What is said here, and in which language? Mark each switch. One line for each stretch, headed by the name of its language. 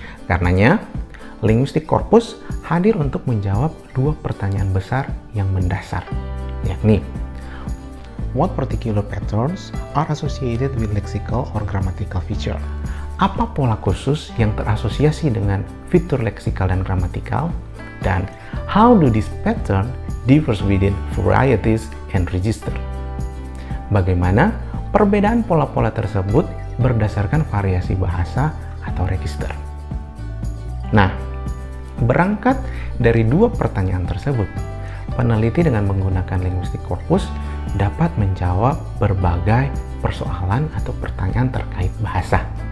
Indonesian: Karenanya, linguistik korpus hadir untuk menjawab dua pertanyaan besar yang mendasar, yakni,
English: what particular patterns are associated with lexical or grammatical feature?
Indonesian: Apa pola khusus yang terasosiasi dengan fitur leksikal dan gramatikal? Dan
English: how do these patterns differ within varieties and register?
Indonesian: Bagaimana perbedaan pola-pola tersebut berdasarkan variasi bahasa atau register? Nah, berangkat dari dua pertanyaan tersebut, peneliti dengan menggunakan linguistik korpus dapat menjawab berbagai persoalan atau pertanyaan terkait bahasa.